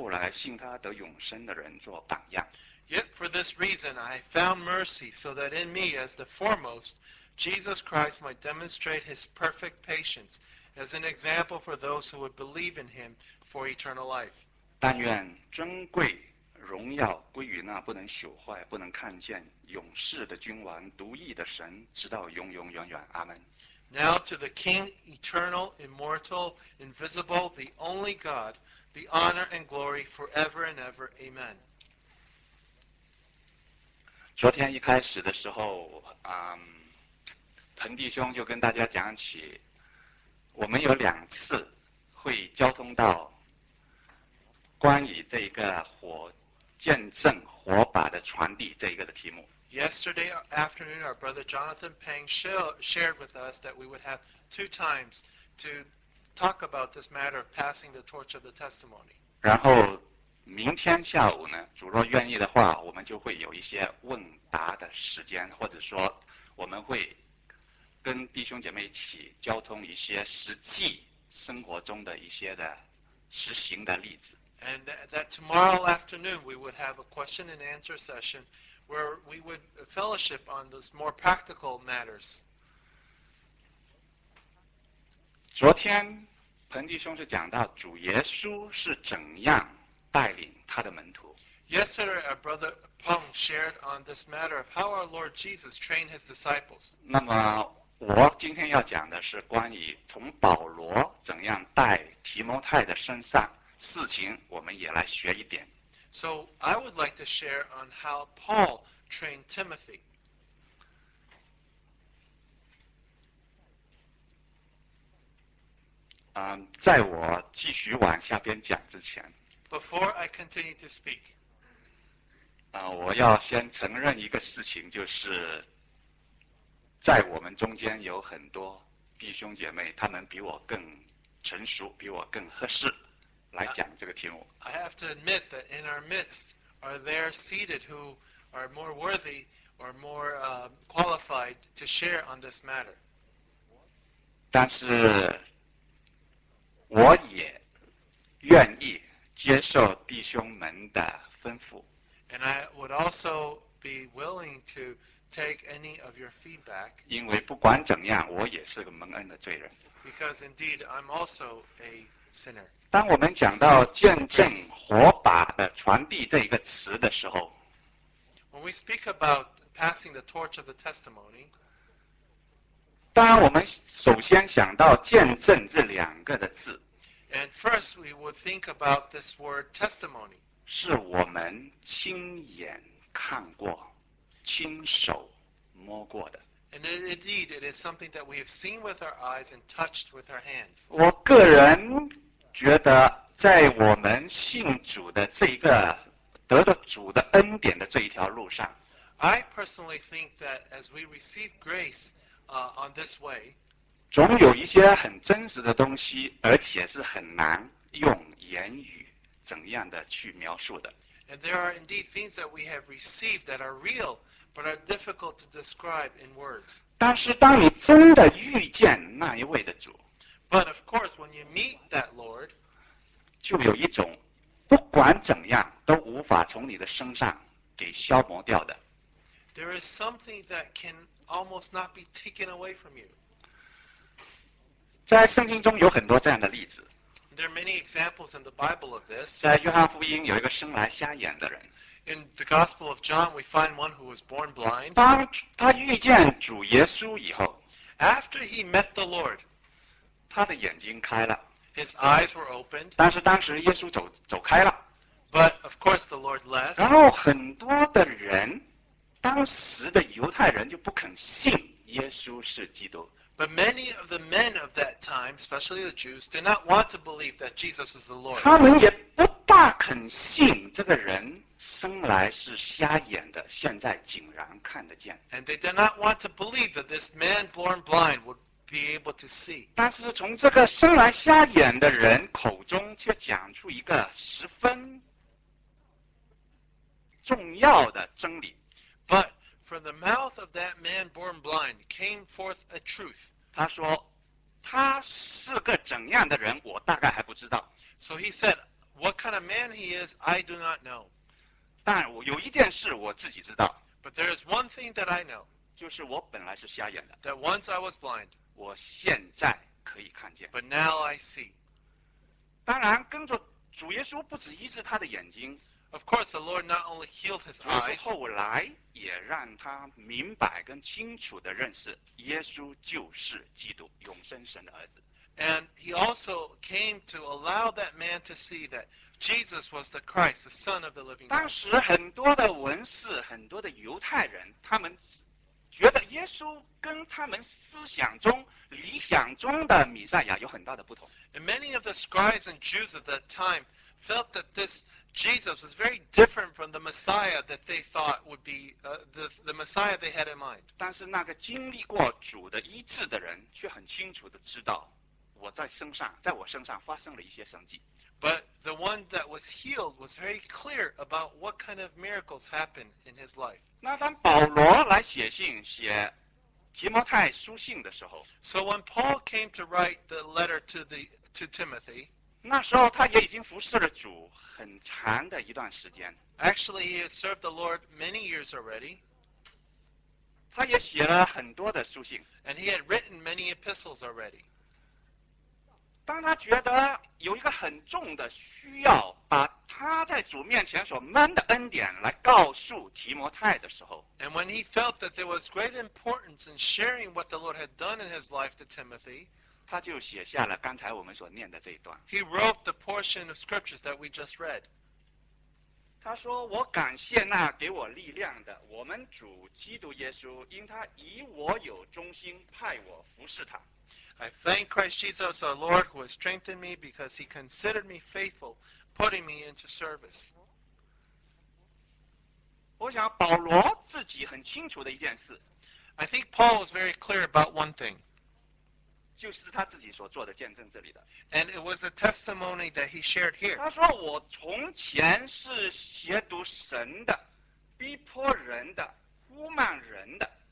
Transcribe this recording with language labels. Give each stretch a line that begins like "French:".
Chinese: 然而我蒙了怜悯，是因耶稣基督要在我这罪魁身上显明他一切的忍耐，给后来信他得永生的人做榜样。
English: Yet for this reason I found mercy so that in me as the foremost, Jesus Christ might demonstrate his perfect patience as an example for those who would believe in him for eternal life.
Chinese: 但愿尊贵荣耀归于那不能朽坏不能看见永世的君王独一的神直到永永远远阿们。
English: Now to the King, eternal, immortal, invisible, the only God, the honor and glory forever and ever. Amen.
Chinese: 昨天一开始的时候, 彭弟兄就跟大家讲起，我们有两次会交通到关于这个火见证火把的传递这一个的题目。
English: Yesterday afternoon, our brother Jonathan Peng shared with us that we would have two times to talk about this matter of passing the torch of the testimony.
Chinese: 然后明天下午呢，主若愿意的话，我们就会有一些问答的时间，或者说我们会。 跟弟兄姐妹一起交通一些实际生活中的一些的实行的例子。
English: And that tomorrow afternoon we would have a question and answer session where we would fellowship on those more practical matters.
Chinese: 昨天彭弟兄是讲到主耶稣是怎样带领他的门徒。
English: Yesterday, our brother Peng shared on this matter of how our Lord Jesus trained his disciples.
Chinese: 那么我今天要讲的是关于从保罗怎样带提摩太的身上事情，我们也来学一点。
English: So I would like to share on how Paul trained Timothy.
Chinese: 在我继续往下边讲之前
English: ，Before I continue to speak.
Chinese: 我要先承认一个事情，就是在我们中间有很多弟兄姐妹，他们比我更成熟，比我更合适。来讲这个题目。
English: I have to admit that in our midst are there seated who are more worthy or more qualified to share on this matter.
Chinese: 但是我也愿意接受弟兄们的吩咐。
English: And I would also be willing to take any of your feedback.
Chinese: 因为不管怎样，我也是个蒙恩的罪人。
English: Because indeed, I'm also a sinner.
Chinese: 当我们讲到见证火把的传递这一个词的时候
English: When we speak about passing the torch of the testimony,
Chinese: 当我们首先想到见证这两个的字
English: And first we would think about this word testimony,
Chinese: 是我们亲眼看过亲手摸过的
English: And indeed, it is something that we have seen with our eyes and touched with our hands.
Chinese: 我个人觉得在我们信主的这一个得到主的恩典的这一条路上
English: I personally think that as we receive grace on this way,
Chinese: 总有一些很真实的东西而且是很难用言语怎样的去描述的
English: And there are indeed things that we have received that are real,but are difficult to describe in words.
Chinese: 但是当你真的遇见那一位的主
English: But of course, when you meet that Lord,
Chinese: 就有一种不管怎样都无法从你的身上给消磨掉的
English: There is something that can almost not be taken away from you.
Chinese: 在圣经中有很多这样的例子
English: There are many examples in the Bible of this.
Chinese: 在约翰福音有一个生来瞎眼的人
English: In the Gospel of John, we find one who was born blind.
Chinese: 当他遇见主耶稣以后
English: After he met the Lord,
Chinese: 他的眼睛开了
English: His eyes were opened.
Chinese: 但是当时耶稣走开了
English: But of course the Lord left.
Chinese: 然后很多的人，当时的犹太人就不肯信耶稣是基督
English: But many of the men of that time, especially the Jews, did not want to believe that Jesus was the Lord.
Chinese: 他们也不大肯信这个人生来是瞎眼的，现在竟然看得见。
English: And they did not want to believe that this man born blind would be able to see.
Chinese: 但是从这个生来瞎眼的人口中却讲出一个十分重要的真理。
English: But from the mouth of that man born blind came forth a truth.
Chinese: 他说，他是个怎样的人，我大概还不知道。
English: So he said, what kind of man he is, I do not know.
Chinese: 但我有一件事我自己知道
English: But there is one thing that I know
Chinese: 就是我本来是瞎眼的
English: That once I was blind
Chinese: 我现在可以看见
English: But now I see
Chinese: 当然跟着主耶稣不只医治他的眼睛
English: Of course the Lord not only healed his eyes
Chinese: 主耶稣后来也让他明白跟清楚地认识耶稣就是基督永生神的儿子
English: And he also came to allow that man to see thatJesus was the Christ, the Son of the Living God.
Chinese: 当时很多的文士，很多的犹太人，他们觉得耶稣跟他们思想中、理想中的弥赛亚有很大的不同。
English: And many of the scribes and Jews of that time felt that this Jesus was very different from the Messiah that they thought would be the Messiah they had in mind.
Chinese: 但是那个经历过主的医治的人却很清楚地知道，我在身上，在我身上发生了一些神迹。
English: But the one that was healed was very clear about what kind of miracles happened in his life.
Chinese: 那当保罗来写信写提摩太书信的时候
English: So when Paul came to write the letter to the to Timothy.
Chinese: 那时候他也已经服侍了主很长的一段时间。
English: Actually, he had served the Lord many years already.
Chinese: 他也写了很多的书信。
English: And he had written many epistles already.
Chinese: 当他觉得有一个很重的需要把他在主面前所蒙的恩典来告诉提摩太的时候。
English: And when he felt that there was great importance in sharing what the Lord had done in his life to Timothy,
Chinese: 他就写下了刚才我们所念的这一段。
English: He wrote the portion of scriptures that we just read.
Chinese: 他说：“我感谢那给我力量的，我们主基督耶稣，因他以我有忠心，派我服侍他。
English: ”I thank Christ Jesus, our Lord, who has strengthened me because He considered me faithful, putting me into service.
Chinese: 我想保罗自己很清楚的一件事。
English: I think Paul is very clear about one thing.
Chinese: 就是他自己所做的见证这里的。
English: And it was a testimony that he shared here.
Chinese: 他说我从前是亵渎神的，逼迫人的，污慢人的。